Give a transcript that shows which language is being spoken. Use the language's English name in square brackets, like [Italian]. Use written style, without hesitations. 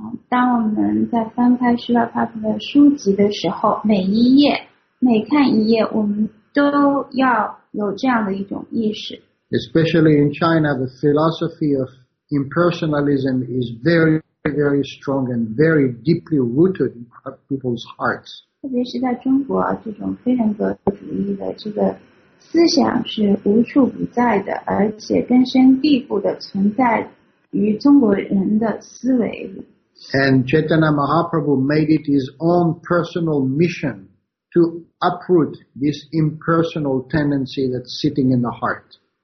[Chinese] 当我们在翻开Srila Prabhupada的书籍的时候，每一页，每看一页，我们都要有这样的一种意识。 [English] Especially in China, the philosophy of impersonalism is very, very strong and very deeply rooted in people's hearts. [Chinese] 特别是在中国，这种非常格主义的这个思想是无处不在的，而且根深蒂固的存在于中国人的思维里。 [English] And Chaitanya Mahaprabhu made it his own personal mission to uproot this impersonal tendency that's sitting in the heart.